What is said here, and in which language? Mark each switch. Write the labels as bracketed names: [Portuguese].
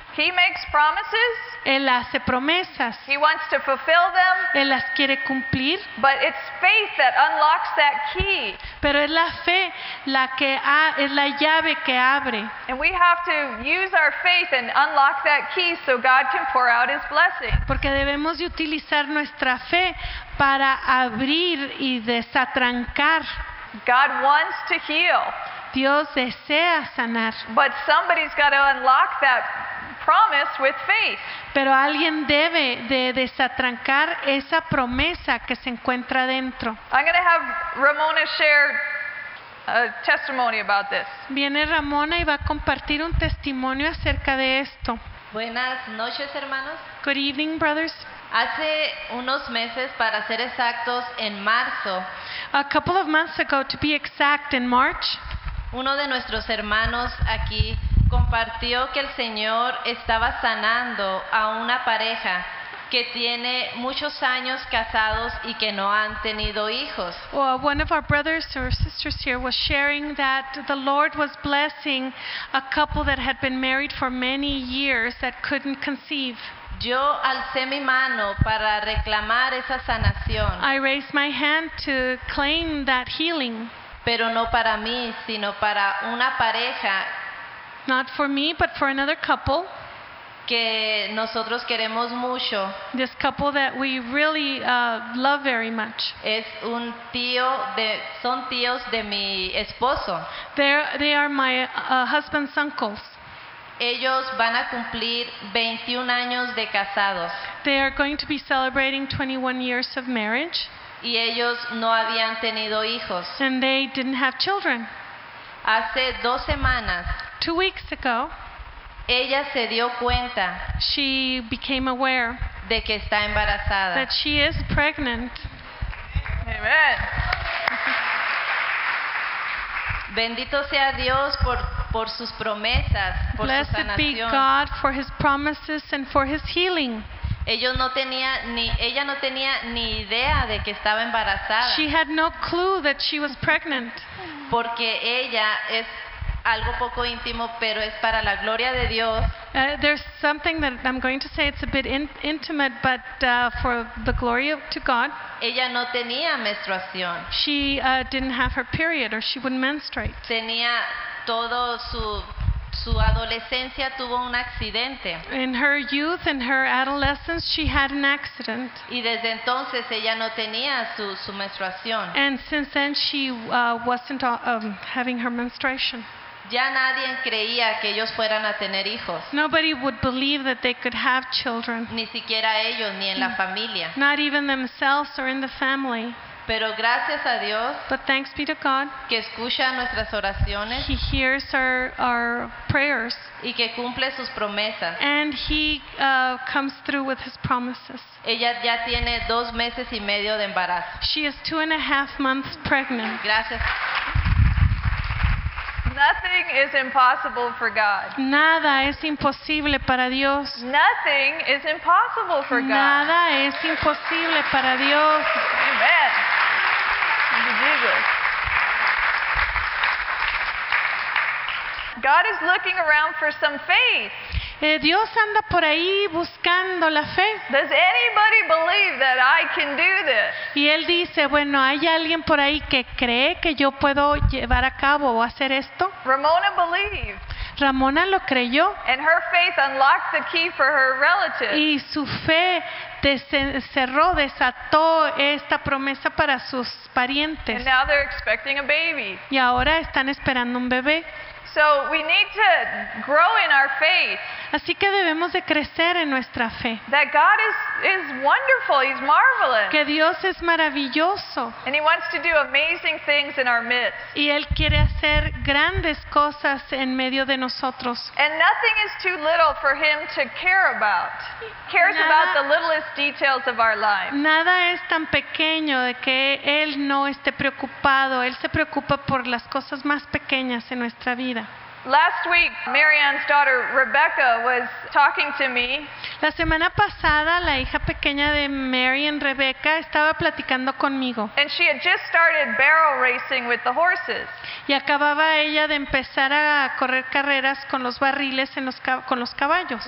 [English] He makes promises. [Spanish] Él hace promesas. [English] He wants to fulfill them. [Spanish] Él las quiere cumplir. [English] But it's faith that unlocks that key. [Spanish] Pero es la fe la que es la llave que abre. [English] And we have to use our faith and unlock that key so God can pour out His blessing. [Spanish] Porque debemos de utilizar nuestra fe para abrir y desatrancar. [English] God wants to heal. [Spanish] Dios desea sanar. [English] But somebody's got to unlock that promise with faith. [Spanish] Pero alguien debe de desatrancar esa promesa que se encuentra dentro. [English] I'm going to have Ramona share a testimony about this. [Spanish] Viene Ramona y va a compartir un testimonio acerca de esto. Buenas noches, hermanos. [English] Good evening, brothers. [Spanish] Hace unos meses, para ser exactos, en marzo. [English] A couple of months ago, to be exact, in March. [Spanish] Uno de nuestros hermanos aquí compartió que el Señor estaba sanando a una pareja que tiene muchos años casados y que no han tenido hijos. [English] Well, one of our brothers or sisters here was sharing that the Lord was blessing a couple that had been married for many years that couldn't conceive. [Spanish] Yo alcé mi mano para reclamar esa sanación. [English] I raised my hand to claim that healing. [Spanish] Pero no para mí, sino para una pareja. [English] Not for me, but for another couple. [Spanish] que nosotros queremos mucho. [English] This couple that we really love very much. [Spanish] Es un tío de, son tíos de mi esposo. [English] They are my husband's uncles. [Spanish] Ellos van a cumplir 21 años de casados. [English] They are going to be celebrating 21 years of marriage. [Spanish] Y ellos no habían tenido hijos. [English] And they didn't have children. [Spanish] Hace dos semanas. [English] 2 weeks ago. [Spanish] Ella se dio cuenta. [English] She became aware. [Spanish] De que está embarazada. [English] That she is pregnant. Amen. [Spanish] Bendito sea Dios por sus promesas, por [English] Blessed [Spanish] su sanación. [English] Blessed be God for His promises and for His healing. [Spanish] Ella no tenía ni idea de que estaba embarazada. [English] She had no clue that she was pregnant. [Spanish] Porque ella es algo poco íntimo, pero es para la gloria de Dios. [English] There's something that I'm going to say, it's a bit intimate, but for the glory to God. [Spanish] Ella no tenía menstruación. [English] She didn't have her period, or she wouldn't menstruate. [Spanish] Tenía todo su adolescencia tuvo un accidente. [English] In her youth, in her adolescence, she had an accident. [Spanish] Y desde entonces ella no tenía su menstruación. [English] And since then she wasn't having her menstruation. [Spanish] Ya nadie creía que ellos fueran a tener hijos. [English] Nobody would believe that they could have children. [Spanish] Ni siquiera ellos ni en la familia. [English] Not even themselves or in the family. [Spanish] Pero gracias a Dios, [English] but thanks be to God, [Spanish] que escucha nuestras oraciones, [English] He hears our prayers, [Spanish] y que cumple sus promesas, [English] and He comes through with His promises. [Spanish] Ella ya tiene 2 meses y medio de embarazo. [English] She is 2.5 months pregnant. [Spanish] Gracias. [English] Nothing is impossible for God. [Spanish] Nada es imposible para Dios. [English] Nothing is impossible for God. [Spanish] Nada es imposible para Dios. Amen. [English] God is looking around for some faith. [Spanish] Dios anda por ahí buscando la fe. [English] Does anybody believe that I can do this? [Spanish] Y él dice, bueno, ¿hay alguien por ahí que cree que yo puedo llevar a cabo o hacer esto? [English] Ramona believed. [Spanish] Ramona lo creyó. [English] And her faith unlocked the key for her relative. [Spanish] Y su fe cerró, desató esta promesa para sus parientes. [English] And now they're expecting a baby. [Spanish] Y ahora están esperando un bebé. [English] So we need to grow in our faith. [Spanish] Así que debemos de crecer en nuestra fe. [English] That God is wonderful, He's marvelous. [Spanish] Que Dios es maravilloso. [English] And He wants to do amazing things in our midst. [Spanish] Y Él quiere hacer grandes cosas en medio de nosotros. [English] And nothing is too little for Him to care about. He cares about the littlest details of our lives. [Spanish] Nada es tan pequeño de que Él no esté preocupado. Él se preocupa por las cosas más pequeñas en nuestra vida. [English] Last week, Marianne's daughter Rebecca was talking to me. [Spanish] La semana pasada, la hija pequeña de Marianne, Rebecca, estaba platicando conmigo. [English] And she had just started barrel racing with the horses. [Spanish] Y acababa ella de empezar a correr carreras con los barriles en los con los caballos.